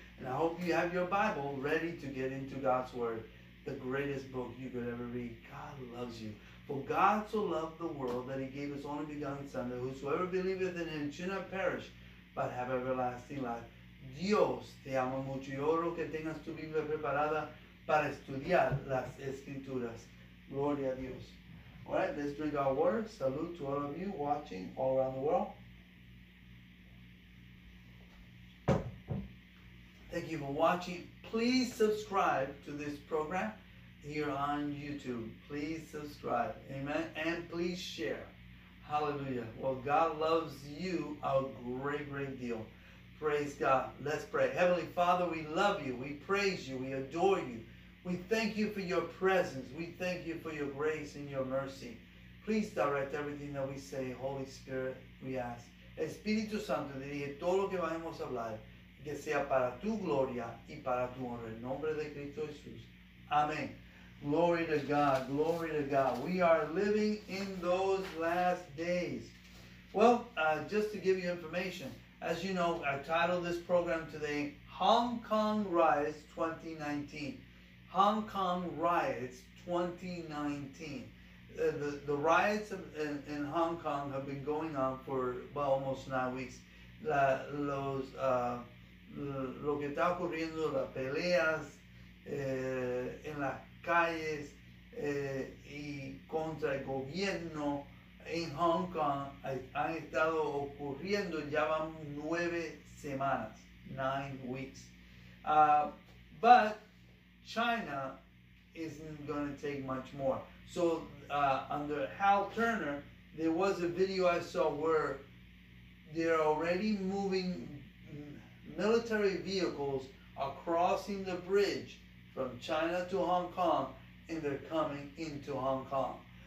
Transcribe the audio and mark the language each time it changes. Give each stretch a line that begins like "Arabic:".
English: And I hope you have your Bible ready to get into God's Word, the greatest book you could ever read. God loves you. For God so loved the world that he gave his only begotten Son, that whosoever believeth in him should not perish, but have everlasting life.
Spanish: Dios te ama mucho y oro que tengas tu Biblia preparada para estudiar las Escrituras. Gloria a Dios.
English: All right, let's drink our water. Salute to all of you watching all around the world. Thank you for watching. Please subscribe to this program here on YouTube. Please subscribe. Amen. And please share. Hallelujah. Well, God loves you a great, great deal. Praise God. Let's pray. Heavenly Father, we love you. We praise you. We adore you. We thank you for your presence. We thank you for your grace and your mercy. Please direct everything that we say. Holy Spirit, we ask.
Spanish: Espíritu Santo, dirige todo lo que vamos a hablar, que sea para tu gloria y para tu honor. En nombre de Cristo Jesús. Amén.
English: Glory to God. Glory to God. We are living in those last days. Well, just to give you information, as you know, I titled this program today, Hong Kong Riots 2019. Hong Kong Riots 2019. The riots in Hong Kong have been going on for almost 9 weeks.
Spanish: Lo que está ocurriendo, las peleas en las calles y contra el gobierno en Hong Kong han estado ocurriendo ya van 9 semanas,
English: 9 weeks. But China isn't going to take much more. So under Hal Turner, there was a video I saw where they're already moving military vehicles are crossing the bridge from China to Hong Kong, and they're coming into Hong Kong.